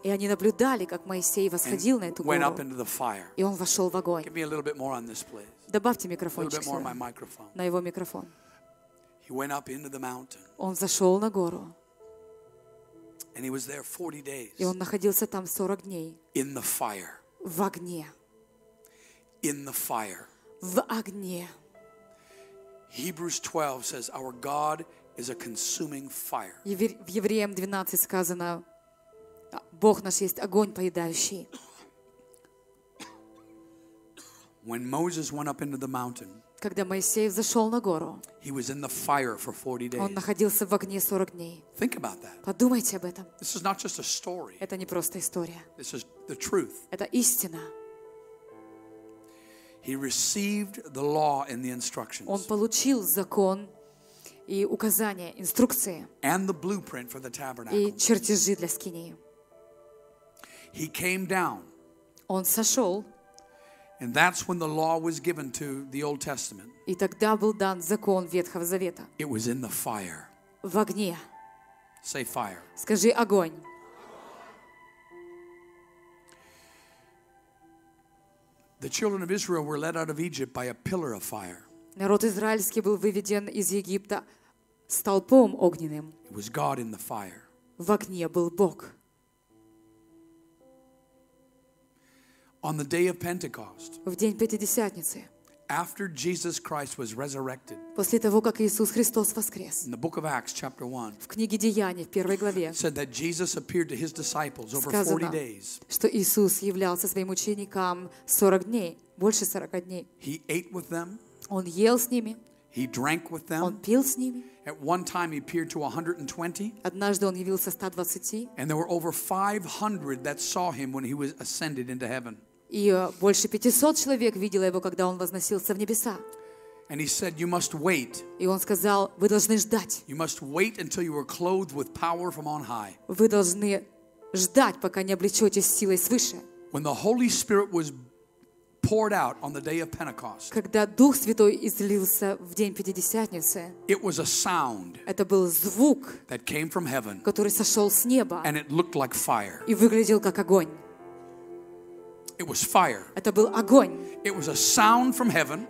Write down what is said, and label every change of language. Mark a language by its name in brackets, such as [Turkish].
[Russian] И они наблюдали, как Моисей восходил на эту гору. [English] Went up into the fire. [Russian] И он вошел в огонь. [English] Give me a little bit more on this, please. [Russian] Добавьте микрофончик. [English] A little bit more on my microphone. [Russian] На его микрофон. [English] He went up into the mountain. [Russian] Он зашел на гору. [English] And he was there 40 days. [Russian] И он находился там 40 дней. [English] In the fire. [Russian] В огне. [English] In the fire. [Russian] В огне. [English] Hebrews 12 says our God is a consuming fire. [Russian] В Евреям 12 сказано: Бог наш есть огонь поедающий. [English] When Moses went up into the mountain, [Russian] когда Моисей взошёл на гору, [English] he was in the fire for 40 days. [Russian] Он находился в огне 40 дней. [English] Think about that. [Russian] Подумайте об этом. [English] This is not just a story. [Russian] Это не просто история. [English] This is the truth. [Russian] Это истина. [English] He received the law and the instructions. [Russian] Он получил закон и указания, инструкции. [English] And the blueprint for the tabernacle. [Russian] И чертежи для скинии. [English] He came down. [Russian] Он сошёл. [English] And that's when the law was given to the Old Testament. [Russian] И тогда был дан закон Ветхого Завета. [English] It was in the fire. [Russian] В огне. [English] Say fire. [Russian] Скажи огонь. [English] The children of Israel were led out of Egypt by a pillar of fire. [Russian] Народ израильский был выведен из Египта столпом огненным. [English] It was God in the fire. [Russian] В огне был Бог. [English] On the day of Pentecost, [Russian] в день Пятидесятницы, [English] after Jesus Christ was resurrected, [Russian] после того как Иисус Христос воскрес, [English] in the book of Acts, chapter 1, [Russian] в книге Деяний, в первой главе, [English] said that Jesus appeared to his disciples over 40 days. [Russian] Что Иисус являлся своим ученикам 40 дней, больше 40 дней. [English] He ate with them. [Russian] Он ел с ними. [English] He drank with them. [Russian] Он пил с ними. [English] At one time he appeared to 120. [Russian] Однажды он явился 120. [English] And there were over 500 that saw him when he was ascended into heaven. [Russian] И больше 500 человек видело его, когда он возносился в небеса. [English] And he said, you must wait. [Russian] И он сказал, вы должны ждать. [English] You must wait until you are clothed with power from on high. [Russian] Вы должны ждать, пока не облечетесь силой свыше. [English] When the Holy Spirit was poured out on the day of Pentecost. [Russian] Когда Дух Святой излился в день Пятидесятницы. [English] It was a sound. [Russian] Это был звук. [English] That came from heaven. [Russian] Который сошел с неба. [English] And it looked like fire. [Russian] И выглядел как огонь. [English] It was fire. [Russian] Это был огонь. [English] It was a sound from heaven.